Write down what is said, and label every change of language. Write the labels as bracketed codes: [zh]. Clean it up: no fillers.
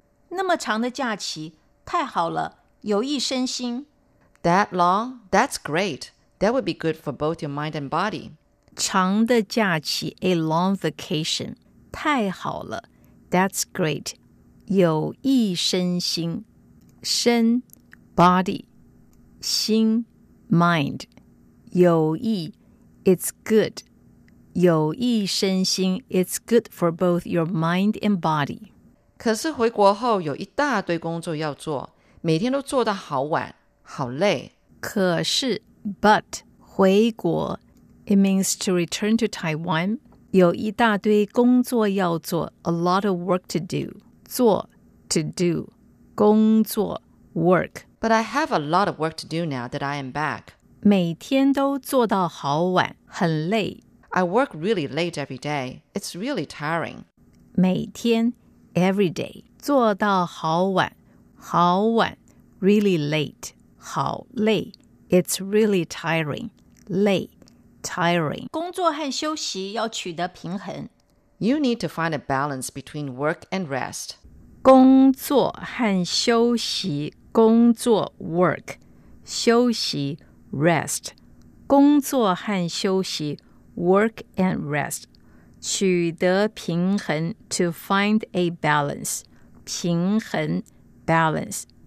[zh] 那么长的假期太好了有益身心。 [en] That long? That's great. That would be good for both your mind and body. 长的假期 a long vacation. 太好了 That's great. [zh] 有益身心身 body. [en] 心 mind. 有益 it's good. 有益身心 it's good for both your mind and body. [zh] 可是回国后有一大堆工作要做，每天都做到好晚，好累。 [en] 可是 ，but 回国 ，it means to return to Taiwan， [zh] 有一大堆工作要做 [en] ，a lot of work to do， 做 ，to do， 工作 ，work。 But I have a lot of work to do now that I am back. [zh] 每天都做到好晚，很累。 [en] I work really late every day. It's really tiring. [zh] 每天 every day, 做到好晚，好晚 really late, 好累。 [en] It's really tiring, 累 tiring. [zh] 工作和休息要取得平衡。 [en] You need to find a balance between work and rest. 工作和休息工作 work, 休息 rest, 工作和休息 work and rest, [zh] 取得平衡 [en] to find a balance, 平衡 balance.